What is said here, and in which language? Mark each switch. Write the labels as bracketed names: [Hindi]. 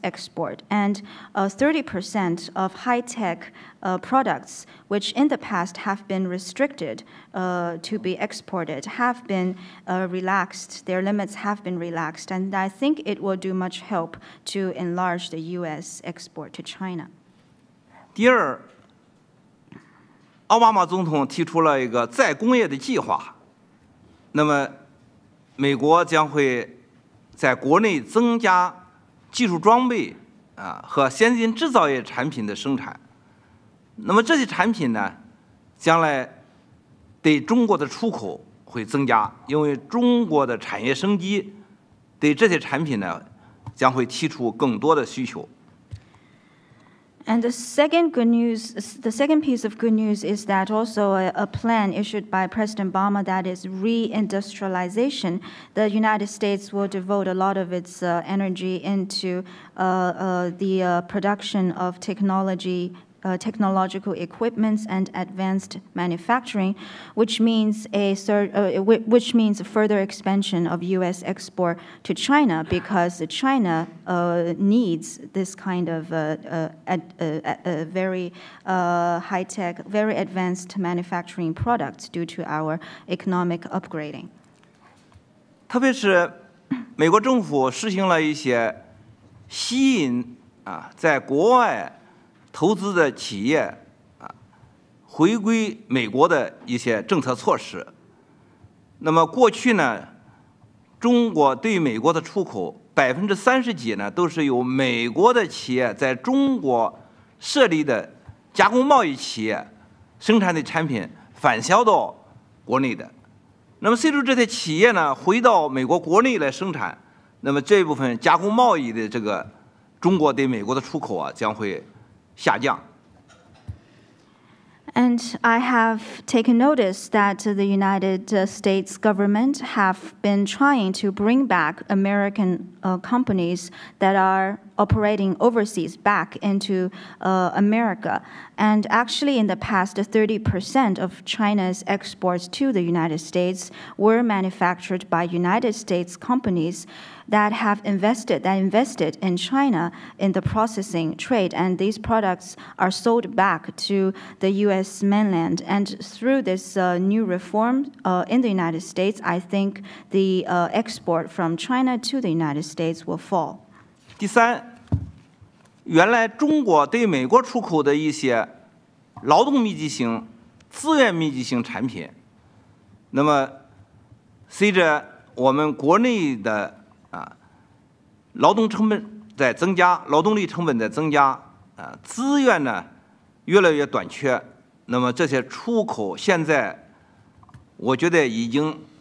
[English] export, and 30% of high-tech products, which in the past have been restricted to be exported, have been relaxed. Their limits have been relaxed, and I think it will do much help to enlarge the U.S. export to China. [Chinese] 第二。奥巴马总统提出了一个再工业的计划，那么美国将会在国内增加技术装备啊和先进制造业产品的生产，那么这些产品呢，将来对中国的出口会增加，因为中国的产业升级对这些产品呢将会提出更多的需求。 [English] And the second good news, the second piece of good news is that also a plan issued by President Obama that is reindustrialization. The United States will devote a lot of its energy into production of technology, technological equipments and advanced manufacturing, which means further expansion of U.S. export to China because China needs this kind of high-tech, very advanced manufacturing products due to our economic upgrading. [Chinese] 特别是美国政府实行了一些吸引在国外投资的企业回归美国的一些政策措施。那么过去呢，中国对美国的出口30%+呢，都是由美国的企业在中国设立的加工贸易企业生产的产品返销到国内的。那么随着这些企业呢回到美国国内来生产，那么这部分加工贸易的这个中国对美国的出口啊将会下降。 [English] And I have taken notice that the United States government have been trying to bring back American companies that are operating overseas back into America. And actually in the past, 30% of China's exports to the United States were manufactured by United States companies that have invested in China in the processing trade. And these products are sold back to the U.S. mainland. And through this new reform in the United States, I think the export from China to the United States will fall. [Chinese] 第三，原来中国对美国出口的一些劳动密集型、资源密集型产品，那么随着我们国内的劳动成本在增加，劳动力成本在增加，资源呢越来越短缺，那么这些出口现在我觉得已经